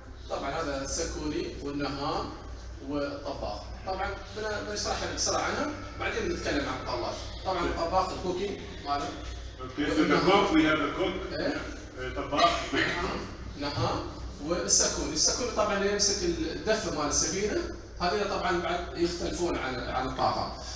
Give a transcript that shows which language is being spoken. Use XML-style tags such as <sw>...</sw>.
<ar>طبعاً هذا السكوني والنهام والطباخ. طبعاً بنشرح بسرعة عنهم بعدين بنتكلم عن الطلاش. طبعاً الطباخ الكوكي مالك.</ar> <en>Okay, so the cook, we have a cook, tabakh, naham, and السكون.</en> <ar>السكون طبعا اللي يمسك الدفة مال السفينة، هذول طبعا بعد يختلفون عن الطاقة.</ar>